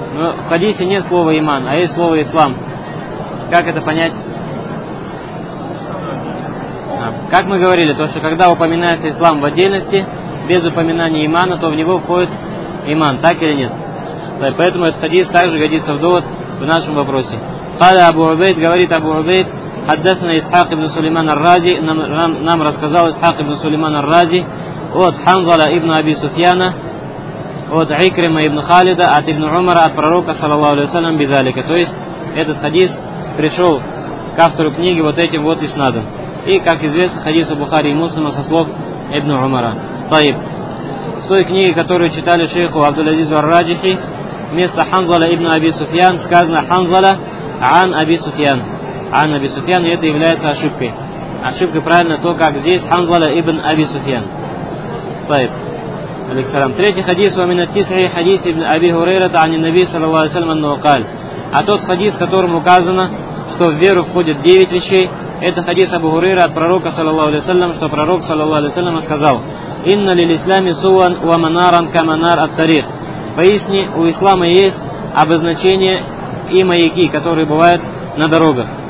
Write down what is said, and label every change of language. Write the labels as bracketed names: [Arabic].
[Russian] Но в хадисе нет слова иман, а есть слово ислам. Как это понять? Как мы говорили, то, что когда упоминается ислам в отдельности, без упоминания имана, то в него входит иман, так или нет? Поэтому этот хадис также годится в довод в нашем вопросе. [Arabic] قال أبو عبيد [Russian] говорит [Arabic] أبو عبيد حدثنا إسحاق بن سليمان الرازي [Russian] нам рассказал [Arabic] إسحاق بن سليمان الرازي от حنظلة ابن أبي سفيان от عكرمة ابن خالد от ابن عمر от пророка صلى الله عليه وسلم بذلك. [Russian] То есть этот хадис пришел к автору книги вот этим вот иснадом. И как известно, хадис у Бухари и Муслима со слов ابن عمر. طيب, в той книге, которую читали шейху Абдул-Азиз ар-Раджихи, вместо حنظلة ابن أبي سفيان сказано حنظلة عن أبي سفيان. [Arabic] عن أبي سفيان, [Russian] и это является ошибкой. Ошибка правильно то, как здесь حنظلة ابن أبي سفيان. [Arabic] طيب, عليك السلام. [Russian] Третий хадис, [Arabic] ومن التسع حديث ابن أبي هريرة عن النبي صلى الله عليه وسلم أنه قال. [Russian] А тот хадис, которым указано, что в веру входит 9 вещей, это хадис Абу Хурейры от пророка صلى الله عليه وسلم, что пророк صلى الله عليه وسلم сказал: [Arabic] إن للإسلام سوا ومنارا كمنار الطريق. [Russian] Поясни, у ислама есть обозначение и маяки, которые бывают на дорогах.